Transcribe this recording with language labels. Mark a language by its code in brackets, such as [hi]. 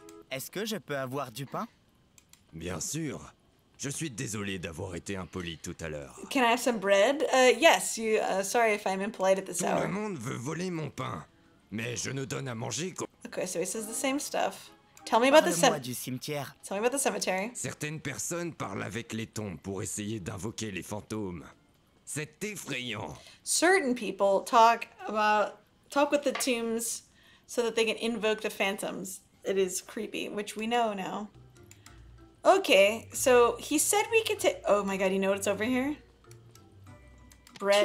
[fr] Est-ce que je peux avoir du pain? Bien sûr. Je suis désolé d'avoir été impoli tout à l'heure. [en] Can I have some bread? Yes, you, sorry if I'm impolite at this [fr] tout [en] hour. [fr] Tout le monde veut voler mon pain, mais je ne donne à manger qu'au... [en] Okay, so he says the same stuff. Tell me about the [fr] cimetière. [en] Tell me about the cemetery. [fr] Certaines personnes parlent avec les tombes pour essayer d'invoquer les fantômes. C'est effrayant. [en] Certain people talk with the tombs so that they can invoke the phantoms. It is creepy, which we know now. Okay, so he said we could take... Oh my god, you know what's over here? Bread.